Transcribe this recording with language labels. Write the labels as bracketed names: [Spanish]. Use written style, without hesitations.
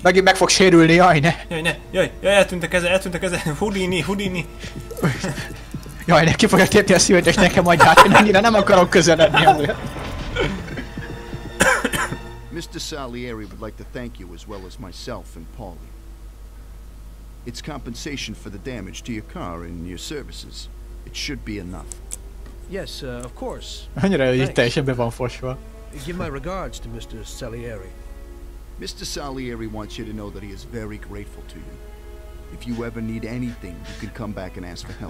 [Hungarian] Megint meg fog sérülni, jaj ne. Jaj ne, jaj, jaj, eltűnt a keze, eltűnt a keze. Houdini, Houdini. Jaj ne, ki fogja tépni a szívet, és nekem adját. Én ennyire nem akarok közeledni. [English] Mr. Salieri would like to thank you as well as myself and Pauly. It's compensation for the damage to your car and your services. It should be enough. Yes, of course. [Hungarian] Annyira jó, hogy itt teljesen be van fosva. [English] Give my regards to Mr. Salieri. Mr. Salieri wants you to know that he is very grateful to you. If you ever need anything, you can come back and ask for help.